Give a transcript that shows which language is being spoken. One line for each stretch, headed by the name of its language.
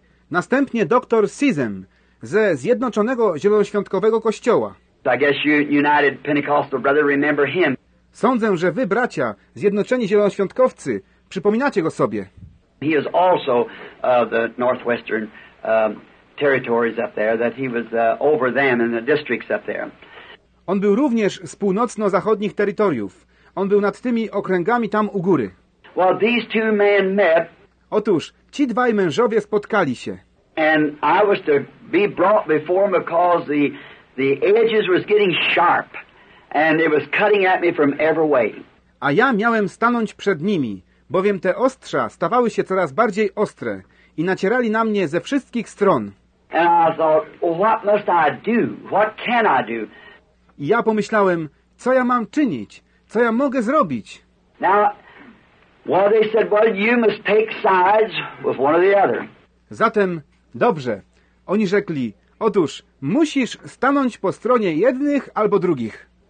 Polish: Następnie dr Sizem ze Zjednoczonego Zielonoświątkowego Kościoła.
English: I guess you United Pentecostal brother remember him.
Polish: Sądzę, że wy bracia, Zjednoczeni Zielonoświątkowcy, przypominacie go sobie.
English: He is also the northwestern territories up there, that he was over them in the districts up there.
Polish: On był również z północno-zachodnich terytoriów. On był nad tymi okręgami tam u góry.
English: Well, these two men met.
Polish: Otóż ci dwaj mężowie spotkali się.
English: And I was to be brought before him because the edges was getting sharp and it was cutting at me from every way.
Polish: A ja miałem stanąć przed nimi, bowiem te ostrza stawały się coraz bardziej ostre i nacierali na mnie ze wszystkich stron.
English: And I thought, what must I do? What can I do?
Polish: I ja pomyślałem, co ja mam czynić? Co ja mogę zrobić?
English: Now, well, they said, well, you must take sides with one or the other.
Polish: Zatem, dobrze, oni rzekli, otóż, musisz stanąć po stronie jednych albo drugich.